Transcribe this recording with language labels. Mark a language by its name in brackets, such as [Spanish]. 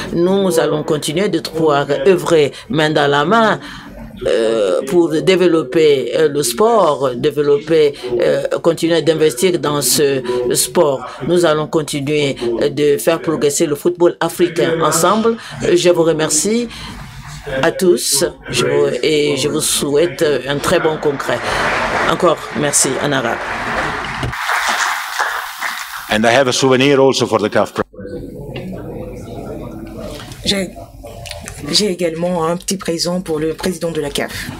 [French] Nous allons continuer de pouvoir œuvrer main dans la main pour développer le sport, développer, continuer d'investir dans ce sport. Nous allons continuer de faire progresser le football africain ensemble. Je vous remercie à tous et je vous souhaite un très bon congrès. Encore merci, en arabe. [English] And I have a souvenir also for the CAF. [French] J'ai également un petit présent pour le président de la CAF.